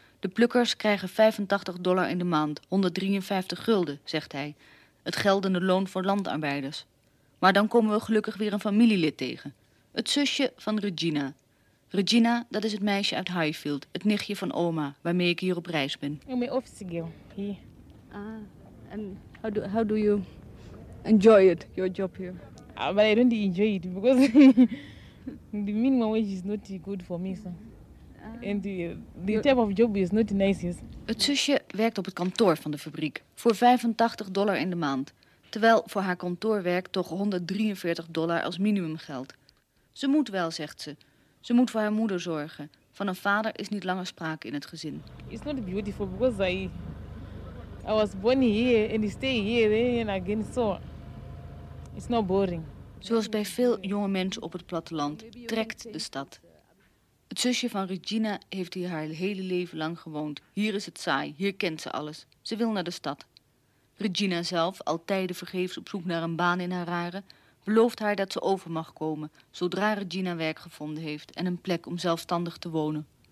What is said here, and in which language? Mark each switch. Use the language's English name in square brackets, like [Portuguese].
[Dutch] De plukkers krijgen $85 in de maand, 153 gulden, zegt hij. Het geldende loon voor landarbeiders. Maar dan komen we gelukkig weer een familielid tegen. Het zusje van Regina. Regina, dat is het meisje uit Highfield, het nichtje van oma, waarmee ik hier op reis ben. [English] I'm an office girl here. And how do you enjoy it, your job here? But I don't enjoy it because the minimum wage is not good for me. So. And the type of job is not nice. Yes. [Dutch] Het zusje werkt op het kantoor van de fabriek voor $85 in de maand. Terwijl voor haar kantoorwerk toch $143 als minimum geldt. Ze moet wel, zegt ze. Ze moet voor haar moeder zorgen. Van een vader is niet langer sprake in het gezin. [English] It's not beautiful because I was born here and I stay here and again so. It's not boring. [Dutch] Zoals bij veel jonge mensen op het platteland trekt de stad. Het zusje van Regina heeft hier haar hele leven lang gewoond. Hier is het saai, hier kent ze alles. Ze wil naar de stad. Regina zelf, al tijden vergeefs op zoek naar een baan in Harare, belooft haar dat ze over mag komen zodra Regina werk gevonden heeft en een plek om zelfstandig te wonen.